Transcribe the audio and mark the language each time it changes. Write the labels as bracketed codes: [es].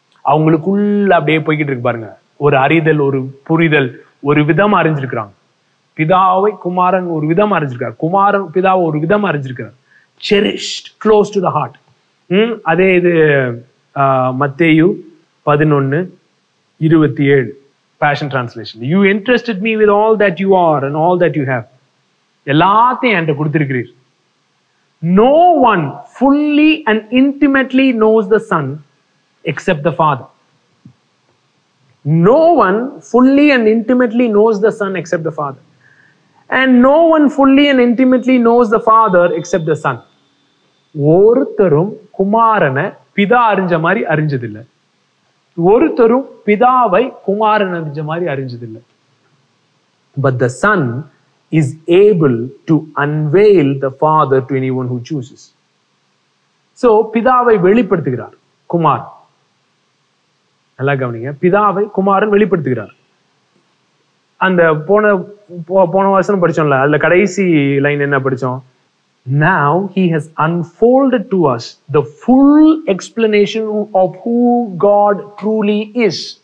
[ta] அவங்களுக்குள்ள அப்படியே போய்கிட்டு இருக்கு பாருங்க, ஒரு அறிதல், ஒரு புரிதல், ஒரு விதம் அறிஞ்சிருக்கிறாங்க. பிதாவை குமாரன் ஒரு விதம் அறிஞ்சிருக்கிறார், குமாரன் பிதாவை ஒரு விதம் அறிஞ்சிருக்கிறார். [en] Cherished, close to the heart. [ta] அதே இது மத்தேயு [en] 11:27 Passion Translation. You entrusted me with all that you are and all that you have. [ta] எல்லாத்தையும் என்கிட்ட கொடுத்திருக்கிறீர். [en] No one fully and intimately knows the Son except the Father. No one fully and intimately knows the Son except the Father. And no one fully and intimately knows the Father except the Son. [ta] ஒருத்தரும் குமாரனை பிதா அறிஞ்ச மாதிரி அறிஞ்சதில்லை. ஒருத்தரும் பிதாவை குமாரன் அறிஞ்ச மாதிரி அறிஞ்சதில்லை. [en] But the Son is able to unveil the Father to anyone who chooses. [ta] So, பிதாவை வெளிப்படுத்துகிறார் குமாரன். நல்லா கவனிங்க, பிதாவை குமாரன் வெளிப்படுத்துகிறார். அந்த போன வசனம் படித்தோம்ல, அதில் கடைசி லைன் என்ன படித்தோம், [en] Now he has unfolded to us the full explanation of who God truly [ta] is.